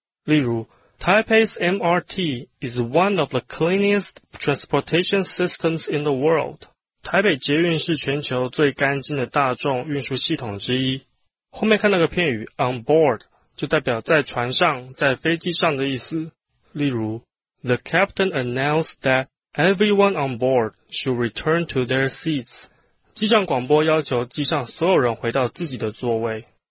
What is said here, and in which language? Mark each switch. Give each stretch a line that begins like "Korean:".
Chinese: 例如,
English: Taipei's MRT is one of the cleanest transportation systems in the world.
Chinese: 台北捷运是全球最干净的大众运输系统之一。后面看到个片语 on board 就代表在船上、在飞机上的意思。例如
English: ,The captain announced that everyone on board should return to their seats.
Chinese: 机上广播要求机上所有人回到自己的座位。